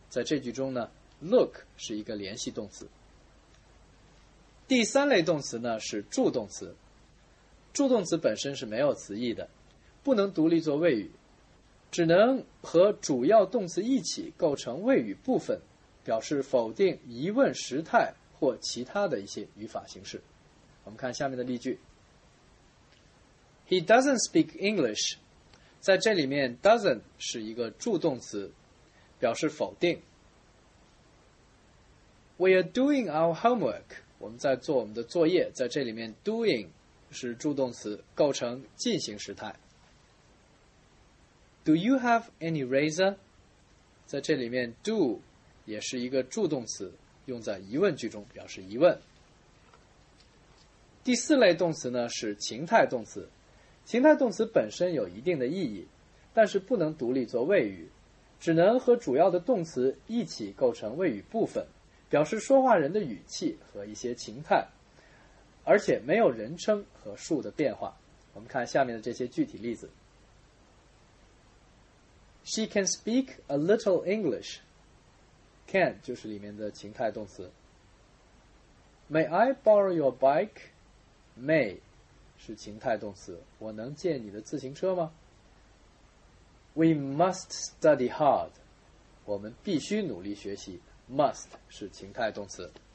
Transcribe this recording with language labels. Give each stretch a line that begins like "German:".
Chinese: 在这句中呢， look 是一个联系动词。第三类动词呢是助动词。助动词本身是没有词义的，不能独立做谓语，只能和主要动词一起构成谓语部分，表示否定、疑问、时态或其他的一些语法形式。我们看下面的例句。
English: He doesn't speak English.
Chinese: 在这里面 doesn't 是一个助动词，表示否定。
English: We are doing our homework.
Chinese: 我们在做我们的作业，在这里面 doing 是助动词，构成进行时态。
English: Do you have any razor?
Chinese: 在这里面 do 也是一个助动词，用在疑问句中，表示疑问。第四类动词呢是情态动词。情态动词本身有一定的意义，但是不能独立做谓语，只能和主要的动词一起构成谓语部分，表示说话人的语气和一些情态，而且没有人称和数的变化。我们看下面的这些具体例子。
English: She can speak a little English.
Chinese: Can 就是里面的情态动词。
English: May I borrow your bike? May
Chinese: 是情态动词。我能借你的自行车吗？
English: We must study hard.
Chinese: 我们必须努力学习。Must 是情态动词。